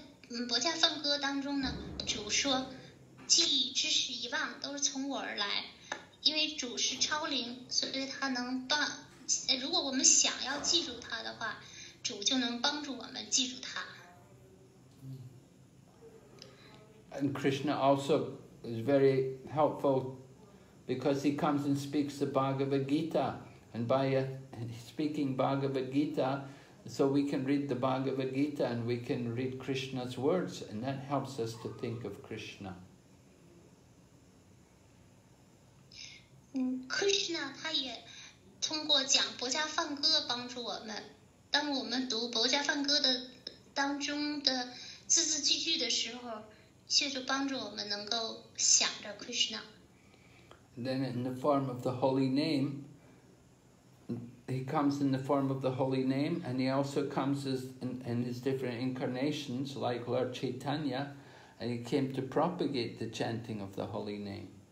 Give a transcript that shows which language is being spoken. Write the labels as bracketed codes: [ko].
[en] In the [zh] 薄伽梵歌当中呢，主说，记忆、知识、遗忘都是从我而来，因为主是超灵，所以他能帮。如果我们想要记住他的话，主就能帮助我们记住他。 [en] And Krishna also is very helpful because he comes and speaks the Bhagavad Gita. And by speaking Bhagavad Gita, so we can read the Bhagavad Gita and we can read Krishna's words, and that helps us to think of Krishna. [zh] Krishna, 他也通过讲薄伽梵歌帮助我们。当我们读薄伽梵歌的当中的字字句句的时候，就是帮助我们能够想着 Krishna. [en] Then in the form of the holy name, he comes in the form of the holy name, and he also comes in his different incarnations, like Lord Chaitanya, and he came to propagate the chanting of the holy name.